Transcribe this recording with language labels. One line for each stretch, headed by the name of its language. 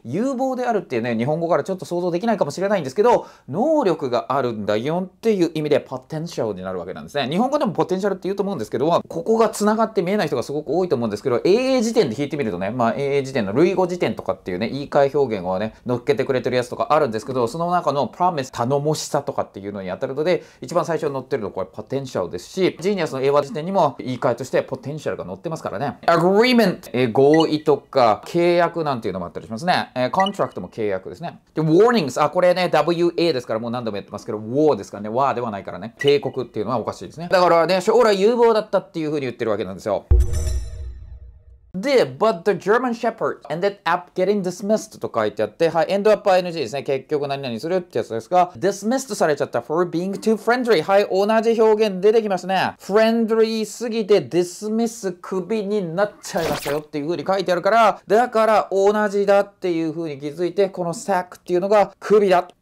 Japanese: 有望であるっていうね、日本語からちょっと想像できないかもしれないんですけど、能力があるんだよっていう意味でポテンシャルになるわけなんですね。日本語でもポテンシャルって言うと思うんですけど、ここが繋がって見えない人がすごく多いと思うんですけど、英英辞典で引いてみるとね、まあ英英辞典の類語辞典とかっていうね、言い換え表現をね、乗っけてくれてるやつとかあるんですけど、その中のプロミス、頼もしさとかっていうのに当たるので、一番最初に載ってるのはこれポテンシャルですし、ジーニアスの英和辞典にも言い換えとしてポテンシャルが載ってますからね。 Agreement、合意とか契約なんていうのもあったりしますね。コントラクトも契約ですね。で、warnings、あ、これね、WA ですから、もう何度もやってますけど、war ですからね、war ではないからね、警告っていうのはおかしいですね。だからね、将来有望だったっていうふうに言ってるわけなんですよ。
English: で、but the German Shepherd ended up getting dismissed
Japanese: と書いてあって、はい、
English: end up ing ですね。
Japanese: 結局何々するってやつですが、dismissed されちゃった
English: for being too friendly。
Japanese: はい、同じ表現出てきましたね。friendly すぎて dismiss クビになっちゃいましたよっていう風に書いてあるから、だから同じだっていう風に気づいて、この sack っていうのがクビだ。